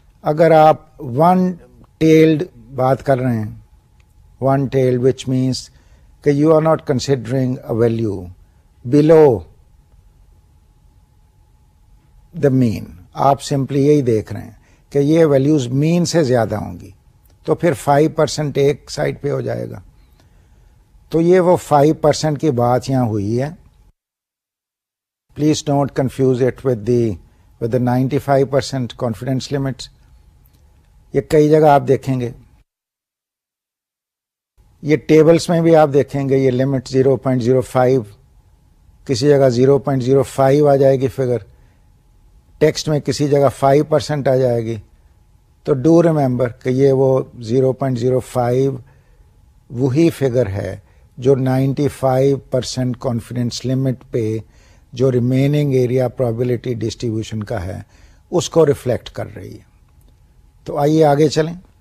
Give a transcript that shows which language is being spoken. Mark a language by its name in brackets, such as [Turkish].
[Urdu] اگر آپ one tailed بات کر رہے ہیں, ون ٹیلڈ وچ مینس کہ [English] you are not considering a value below the mean, [Urdu] آپ سمپلی یہی دیکھ رہے ہیں کہ یہ ویلیوز مین سے زیادہ ہوں گی, تو پھر 5% ایک سائڈ پہ ہو جائے گا. تو یہ وہ 5% کی بات یہاں ہوئی ہے. [English] Please don't confuse it with the 95% confidence limit. [Urdu] یہ کئی جگہ آپ دیکھیں گے, یہ ٹیبلس میں بھی آپ دیکھیں گے, یہ لمٹ 0.05 کسی جگہ 0.05 آ جائے گی فگر, ٹیکسٹ میں کسی جگہ 5% آ جائے گی. تو [English] do remember [Urdu] کہ یہ وہ 0.05 وہی فگر ہے جو 95% confidence limit پہ جو ریمیننگ ایریا پرابیبلٹی ڈسٹریبیوشن کا ہے اس کو ریفلیکٹ کر رہی ہے. تو آئیے آگے چلیں.